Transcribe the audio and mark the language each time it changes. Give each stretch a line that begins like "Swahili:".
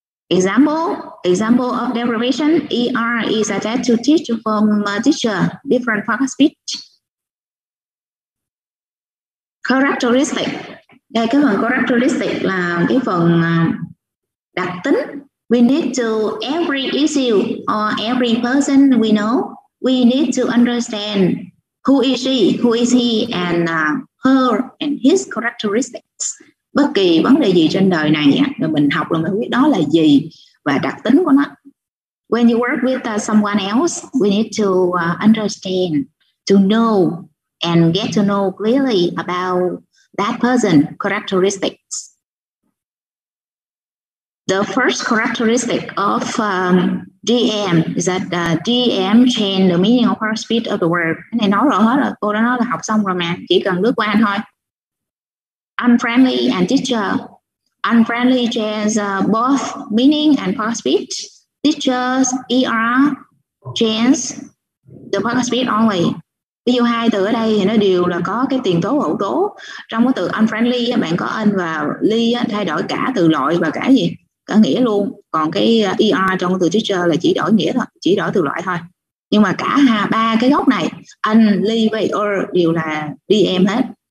English: Example of derivation, ER is added to teach from teacher different part of speech.
Vietnamese: Characteristic, đây cái phần characteristic là cái phần đặc tính.
English: We need to every issue or every person we know, we need to understand who is she, who is he, and her and his characteristics.
Vietnamese: Bất kỳ vấn đề gì trên đời này thì mình học là mình biết đó là gì và đặc tính của nó.
English: When you work with someone else, we need to understand, to know and get to know clearly about that person's characteristics. The first characteristic of DM is that DM change the meaning of her speech of the word.
Vietnamese: Cái này nói rồi hết rồi, cô đã nói là học xong rồi mà, chỉ cần lướt qua thôi.
English: Unfriendly and teacher. Unfriendly change both meaning and part of speech. Teacher's ER change the part of speech only.
Vietnamese: Ví dụ hai từ ở đây thì nó đều là có cái tiền tố hậu tố. Trong cái từ unfriendly, bạn có un và ly thay đổi cả từ loại và cả gì, cả nghĩa luôn. Còn cái ER trong từ teacher là chỉ đổi nghĩa thôi, chỉ đổi từ loại thôi. Nhưng mà cả ba cái gốc này, un, ly và er đều là DM hết.